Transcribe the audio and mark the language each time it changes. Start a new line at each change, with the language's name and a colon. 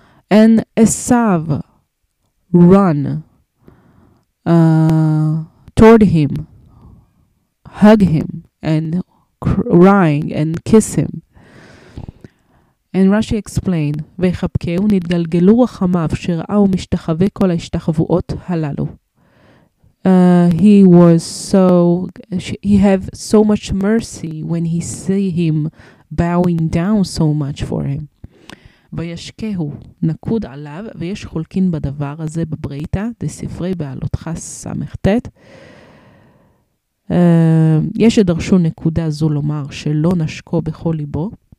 English: And עשיו run toward him, hug him, and crying and kiss him. And Rashi explained,
Hebrew: וחבקהו נתגלגלו רחמיו שראה ומשתחווה כל ההשתחוות הללו.
English: He have so much mercy when he see him bowing down so much for him.
Hebrew: וישקהו נקוד עליו ויש חולקין בדבר הזה בבריתה דספרי בעלותך סמכתת. יש שדרשו נקודה זו לומר שלא נשקו בכל ליבו.